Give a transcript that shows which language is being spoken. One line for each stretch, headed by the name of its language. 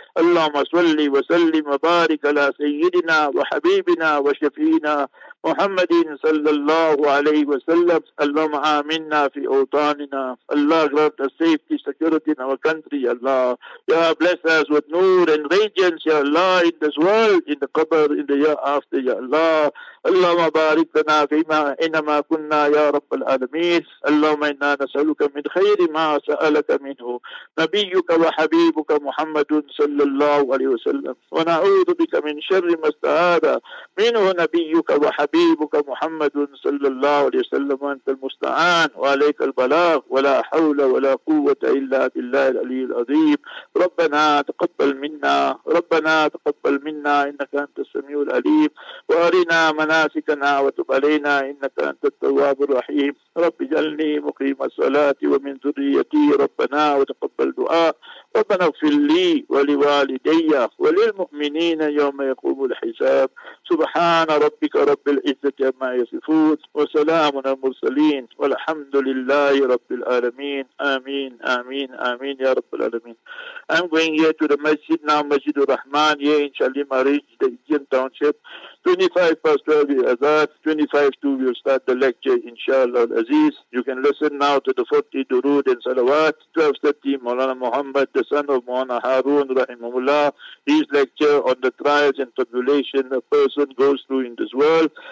Arabic: Allahumma salli wa sallim مبارك على سيدنا وحبيبنا وشفينا محمد صلى الله عليه وسلم. اللهم آمنا في أوطاننا.
English: الله grant us safety, security in our country, Allah. Ya bless us with nur and radiance, Ya Allah, in this world, in the qabr, in the year after, Ya Allah.
Arabic: اللهم بارك لنا فيما إنما كنا يا رب العالمين. اللهم إنا نسألك من خير ما سألك منه نبيك وحبيبك محمد صلى الله عليه وسلم، ونعوذ بك من شر ما استعاد منه نبيك وحبيبك محمد صلى الله عليه وسلم. أنت المستعان وعليك البلاغ، ولا حول ولا قوة إلا بالله العلي العظيم. ربنا تقبل منا، ربنا تقبل منا، إنك أنت السميع العليم. وأرنا من مناسكنا وتب علينا إنك أنت التواب الرحيم. رب اجعلني مقيم الصلاة ومن ذريتي ربنا وتقبل دعاء. ربنا اغفر لي ولوالدي وللمؤمنين يوم يقوم الحساب. سبحان ربك رب العزة عما يصفون وسلام على المرسلين والحمد لله رب العالمين. آمين آمين آمين يا رب العالمين.
English: I'm going here to the masjid now, Masjid al-Rahman, here in Shalim Arij, the Indian township. 25 past 12 is Azad, 25 to we'll start the lecture, inshallah al-Aziz. You can listen now to the 40 Durood and Salawat. 12:30, Maulana Muhammad, the son of Maulana Harun, Rahimahullah, his lecture on the trials and tribulations a person goes through in this world.